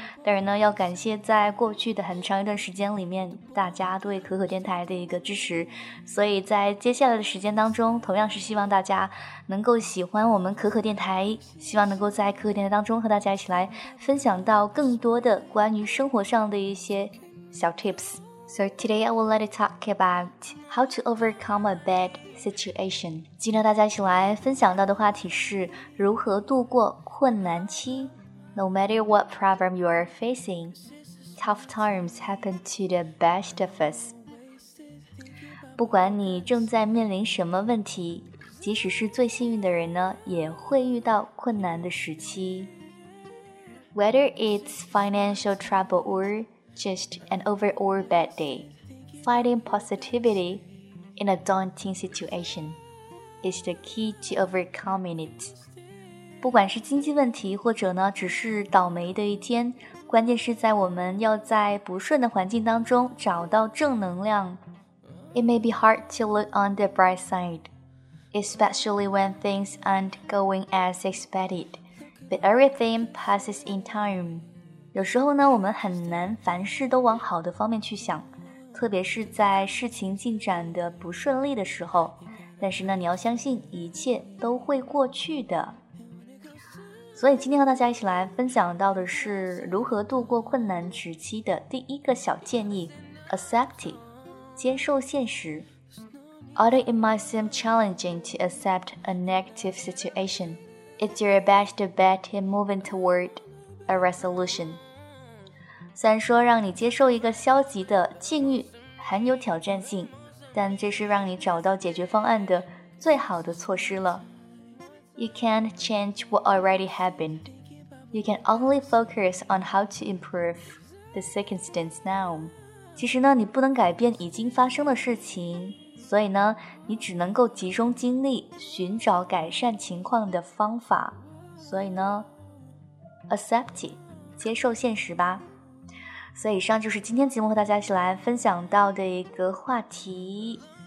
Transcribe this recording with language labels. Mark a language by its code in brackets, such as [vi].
[zh] 当然呢，要感谢在过去的很长一段时间里面大家对可可电台的一个支持，所以在接下来的时间当中，同样是希望大家能够喜欢我们可可电台，希望能够在可可电台当中和大家一起来分享到更多的关于生活上的一些小 tips。 [en] So today I will let you talk about how to overcome a bad situation。 [zh] 今天大家一起来分享到的话题是如何度过困难期。 [en] No matter what problem you are facing, tough times happen to the best of us. [zh] 不管你正在面临什么问题，即使是最幸运的人呢，也会遇到困难的时期。 [en] Whether it's financial trouble or just an overall bad day, finding positivity in a daunting situation is the key to overcoming it. [zh] 不管是经济问题或者呢只是倒霉的一天，关键是在我们要在不顺的环境当中找到正能量。 [en] It may be hard to look on the bright side, especially when things aren't going as expected, but everything passes in time. [zh] 有时候呢我们很难凡事都往好的方面去想，特别是在事情进展的不顺利的时候，但是呢你要相信一切都会过去的。所以今天和大家一起来分享到的是如何度过困难时期的第一个小建议， [en] Accept it, [zh] 接受现实。 [en] Although it might seem challenging to accept a negative situation, it's your best bet in moving toward a resolution. [zh] 虽然说让你接受一个消极的境遇很有挑战性，但这是让你找到解决方案的最好的措施了。 [en] You can't change what already happened. You can only focus on how to improve the circumstance now. [zh] 其实呢，你不能改变已经发生的事情，所以呢，你只能够集中精力寻找改善情况的方法。所以呢 [en] ，accept it, [zh] 接受现实吧。所以以上就是今天节目和大家一起来分享到的一个话题。